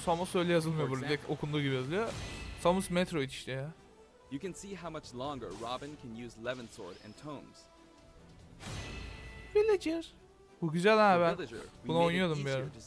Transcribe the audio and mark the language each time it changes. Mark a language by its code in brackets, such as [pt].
[tr] Samus öyle yazılmıyor burada, direkt okunduğu gibi yazılıyor. Samus Metroid işte ya. [en] You can see how much longer Robin can use Levin Sword and Tomes. Villager. [tr] Bu güzel ha, ben bunu oynuyordum bir ara.